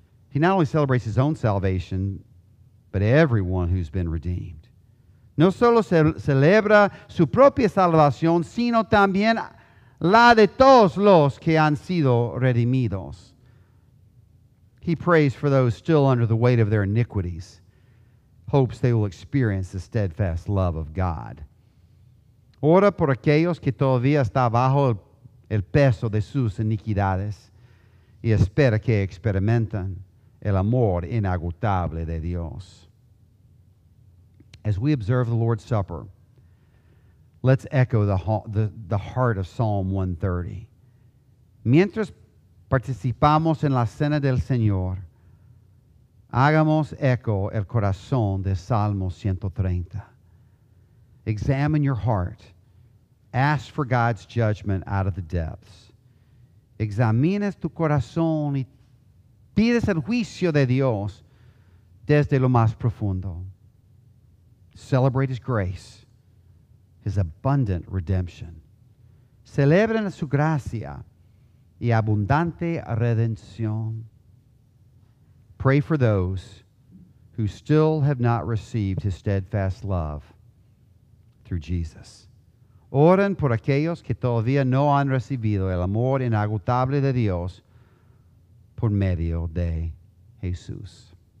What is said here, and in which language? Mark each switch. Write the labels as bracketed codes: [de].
[en] He not only celebrates his own salvation, but everyone who's been redeemed. [es] No solo celebra su propia salvación, sino también la de todos los que han sido redimidos. [en] He prays for those still under the weight of their iniquities, hopes they will experience the steadfast love of God. [es] Ora por aquellos que todavía está bajo el peso de sus iniquidades, y espera que experimenten el amor inagotable de Dios. [en] As we observe the Lord's Supper, let's echo the heart of Psalm 130. [es] Mientras participamos en la Cena del Señor, hagamos eco el corazón de Salmo 130. [en] Examine your heart. Ask for God's judgment out of the depths. [es] examines tu corazón y pides el juicio de Dios desde lo más profundo. [en] Celebrate His grace, His abundant redemption. [es] Celebren su gracia y abundante redención. [en] Pray for those who still have not received His steadfast love through Jesus. [es] Oren por aquellos que todavía no han recibido el amor inagotable de Dios por medio de Jesús.